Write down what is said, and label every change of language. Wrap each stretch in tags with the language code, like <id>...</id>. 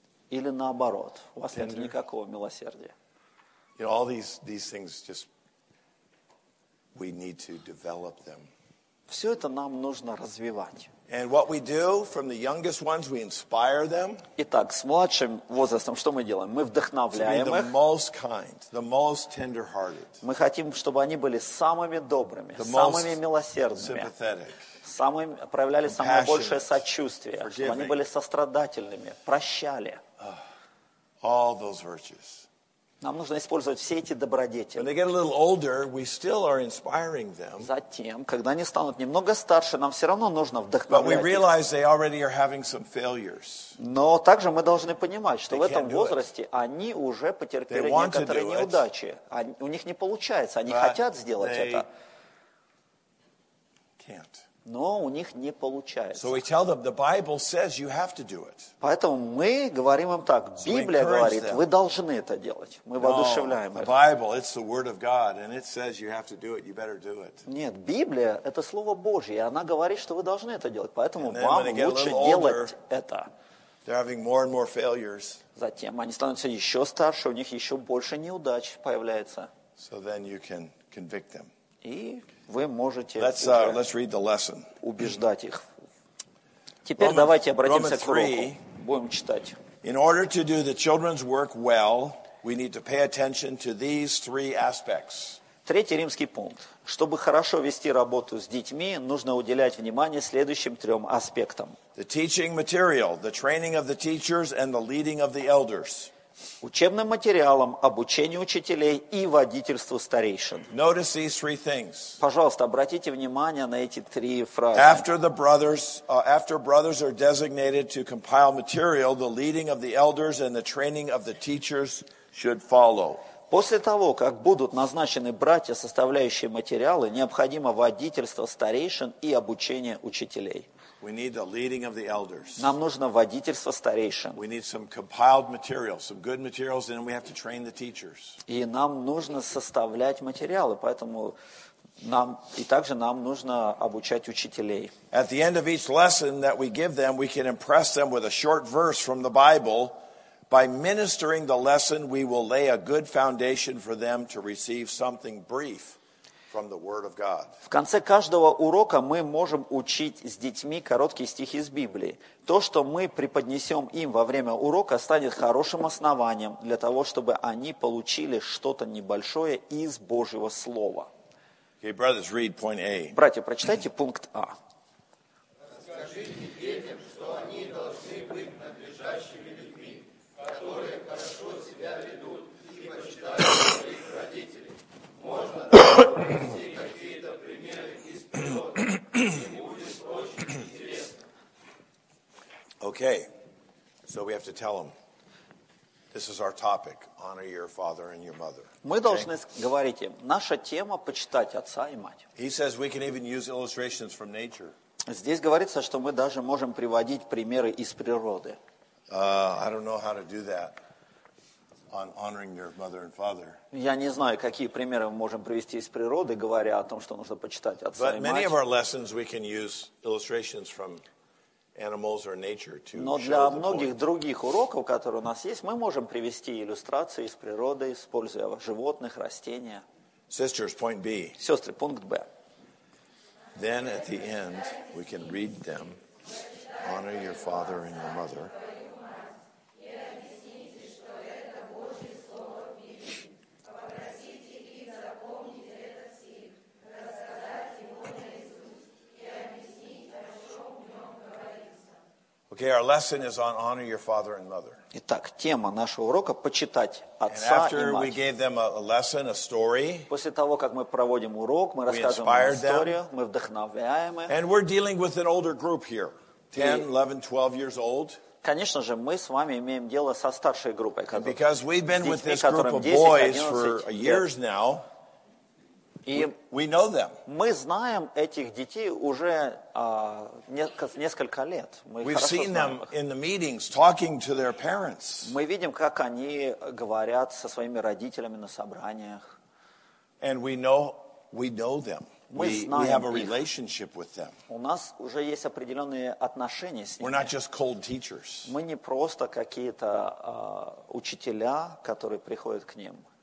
<ru>Или наоборот, у вас нет никакого милосердия?</ru> <en>You know, all these things just we need to develop them.</en> <ru>Все это нам нужно развивать.</ru> <en>And what we do from the youngest ones, we inspire them.</en> <ru>Итак, с младшим возрастом что мы делаем? Мы вдохновляем их.</ru> <en>To be the most kind, the most tender-hearted.</en> <ru>Мы хотим, чтобы они были самыми добрыми, самыми милосердными. Самыми, проявляли самое большее сочувствие, чтобы они были сострадательными, прощали.</ru> <en>All those virtues.</en> <ru>Нам нужно использовать все эти добродетели.</ru> <en>When they get a little older, we still are inspiring them.</en> <ru>Затем, когда они станут немного старше, нам все равно нужно вдохновлять их.</ru> <en>But we realize they already are having some failures.</en> <ru>Но также мы должны понимать, что в этом возрасте они уже потерпели некоторые неудачи. У них не получается, они хотят сделать это.</ru> <en>Can't.</en> <ru>Но у них не получается.</ru> <en>So we tell them, the Bible says you have to do it.</en> <ru>Поэтому мы говорим им так. Библия говорит, вы должны это делать. Мы воодушевляем их.</ru> <en>The Bible, it's the word of God, and it says you have to do it, you better do it.</en> <ru>Нет, Библия — это Слово Божье, и она говорит, что вы должны это делать. Поэтому вам лучше делать это.</ru> <en>They're having more and more failures.</en> <ru>Затем они становятся еще старше, у них еще больше неудач появляется.</ru> <en>So then you can convict them.</en> <ru>И вы можете убеждать их. Теперь давайте обратимся к уроку. Будем читать.</ru> <en>In order to do the children's work well, we need to pay attention to these three aspects.</en> <ru>Третий римский пункт. Чтобы хорошо вести работу с детьми, нужно уделять внимание следующим трем аспектам.</ru> <en>The teaching material, the training of the teachers and the leading of the elders.</en> <ru>Учебным материалом, обучение учителей и водительству старейшин.</ru> <en>Notice these three things.</en> <ru>Пожалуйста, обратите внимание на эти три фразы.</ru> <en>After brothers are designated to compile material, the leading of the elders and the training of the teachers should follow.</en> <ru>После того, как будут назначены братья, составляющие материалы, необходимо водительство старейшин и обучение учителей.</ru> <en>We need the leading of the elders.</en> <ru>Нам нужно водительство старейшин.</ru> <en>We need some compiled materials, some good materials, and then we have to train the teachers.</en> <ru>И нам нужно составлять материалы, поэтому нам и также нам нужно обучать учителей.</ru> <en>At the end of each lesson that we give them, we can impress them with a short verse from the Bible. By ministering the lesson, we will lay a good foundation for them to receive something brief. From the word of God.</en> <ru>В конце каждого урока мы можем учить с детьми короткий стих из Библии. То, что мы преподнесем им во время урока, станет хорошим основанием для того, чтобы они получили что-то небольшое из Божьего Слова.</ru> <en>Okay, brothers, read point A.</en> <ru>Братья, прочитайте пункт А. Расскажите детям, что они должны быть надлежащими людьми, которые хорошо себя ведут и почитают своих родителей. Можно</ru> <en>Okay, so we have to tell them, this is our topic, honor your father and your mother.</en> <ru>Мы должны говорить им, наша тема – почитать отца и мать.</ru> <en>He says we can even use illustrations from nature.</en> <ru>Здесь говорится, что мы даже можем приводить примеры из природы.</ru> <en>I don't know how to do that. On honoring your mother and father.</en> <ru>Я не знаю, какие примеры мы можем привести из природы, говоря о том, что нужно почитать отца и мать.</ru> <en>But many of our lessons we can use illustrations from animals or nature to show the point.</en> <ru>Но для многих других уроков, которые у нас есть, мы можем привести иллюстрации из природы, используя животных, растения.</ru> <en>Sisters, point B.</en> <ru>Сестры, пункт Б.</ru> <en>Then at the end we can read them, honor your father and your mother. Okay, our lesson is on honor your father and mother.</en> <ru>Итак, тема нашего урока – почитать отца и мать.</ru> <en>And after we gave them a lesson, a story,</en> <ru>после того, как мы проводим урок, мы рассказываем историю, мы вдохновляем их.</ru> <en>And we're dealing with an older group here, 10, 11, 12 years old.</en> <ru>Конечно же, мы с вами имеем дело со старшей группой, которая,</ru> <en>because we've been with this group of boys for years now, we know them.</en> <ru>Мы знаем этих детей уже несколько лет.</ru> <en>We've seen them in the meetings talking to their parents.</en> <ru>Мы видим, как они говорят со своими родителями на собраниях.</ru> <en>And we know them. We have a relationship with them.</en> <ru>У нас уже есть определенные отношения с ними.</ru> <en>We're not just cold teachers.</en> <ru>Мы не просто какие-то учителя, которые приходят к ним.</ru>